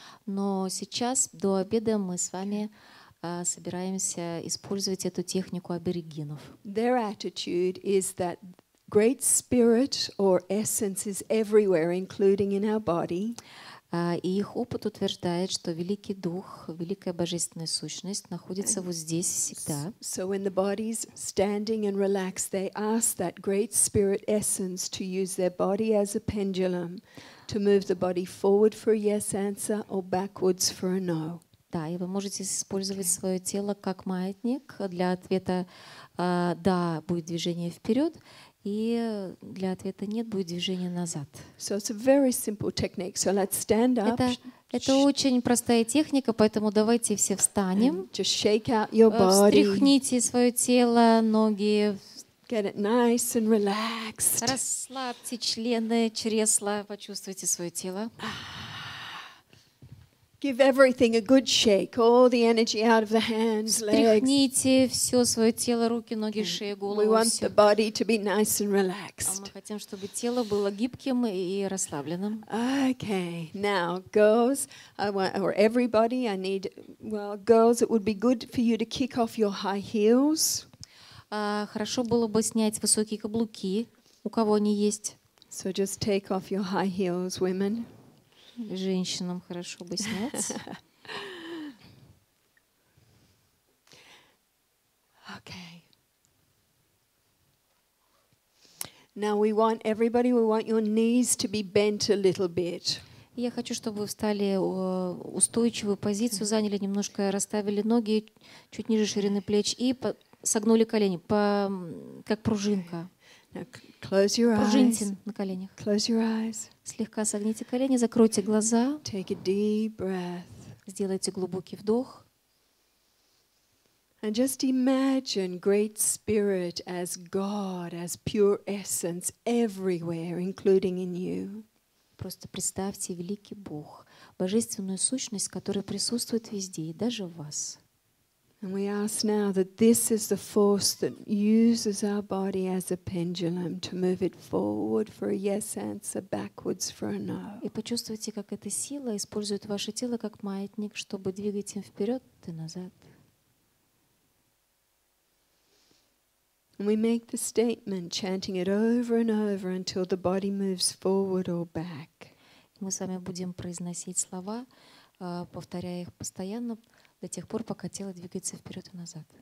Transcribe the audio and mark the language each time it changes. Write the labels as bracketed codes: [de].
[ru] Но сейчас, до обеда, мы с вами собираемся использовать эту технику аборигенов. [en] Their attitude is that great spirit or essence is everywhere, including in our body. [ru] И их опыт утверждает, что Великий Дух, Великая Божественная Сущность находится вот здесь всегда. [en] So when the body's standing and relaxed, they ask that great spirit essence to use their body as a pendulum to move the body forward for a yes answer or backwards for a no. [ru] Да, и вы можете использовать свое тело как маятник для ответа «да» будет движение вперед, и для ответа «нет» будет движение назад. [en] So it's a very simple technique. So let's stand up. [ru] Это очень простая техника, поэтому давайте все встанем. [en] Just shake out your body. [ru] Встряхните свое тело, ноги. [en] Get it nice and relaxed. [ru] Расслабьте члены, чресла, почувствуйте свое тело. [en] Give everything a good shake, all the energy out of the hands, legs. [ru] Встряхните все свое тело, руки, ноги, шею, голову. [en] We want the body to be nice and relaxed. [ru] Мы хотим, чтобы тело было гибким и расслабленным. [en] Okay, now, girls, I want, or everybody, I need, well, girls, it would be good for you to kick off your high heels. [ru] Хорошо было бы снять высокие каблуки, у кого они есть. [en] So just take off your high heels, women. [ru] Женщинам хорошо бы снять. [en] Okay. Now we want everybody, we want your knees to be bent a little bit. [ru] Я хочу, чтобы вы встали в устойчивую позицию, заняли немножко, расставили ноги чуть ниже ширины плеч и согнули колени, как пружинка. [en] Close your eyes. [ru] Пружините на коленях. [en] Close your eyes. [ru] Слегка согните колени, закройте глаза. [en] Take a deep breath. [ru] Сделайте глубокий вдох. [en] And just imagine great spirit as God, as pure essence everywhere, including in you. [ru] Просто представьте великий Бог, божественную сущность, которая присутствует везде, даже в вас. [en] And we ask now that this is the force that uses our body as a pendulum to move it forward for a yes answer, backwards for a no. [ru] И почувствуйте, как эта сила использует ваше тело как маятник, чтобы двигать им вперед и назад. [en] And we make the statement, chanting it over and over until the body moves forward or back. [ru] Мы с вами будем произносить слова, повторяя их постоянно, до тех пор, пока тело двигается вперед и назад.